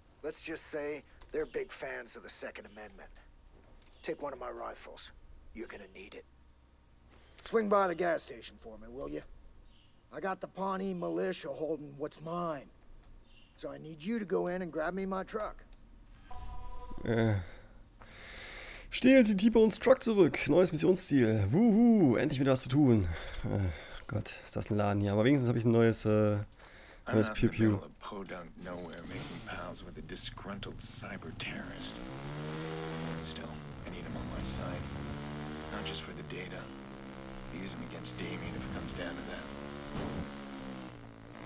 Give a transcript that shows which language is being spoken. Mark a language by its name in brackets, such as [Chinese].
[English] Let's just say they're big fans of the Second Amendment. Take one of my rifles. You're gonna need it. It's swing by the gas station for me, will you? I got the Pawnee militia holding what's mine. So I need you to go in and grab me my truck. [German] Stehlen Sie T-Bone's Truck zurück. Neues Missionsziel. Wuhu, endlich wieder was zu tun. Gott, ist das ein Laden hier. Aber wenigstens habe ich ein neues, neues Pew-Pew. [English] I'm not in the middle of podunk nowhere making pals with a disgruntled cyber-terrorist. Still, I need him on my side. Not just for the data. Use him against Damien if it comes down to that.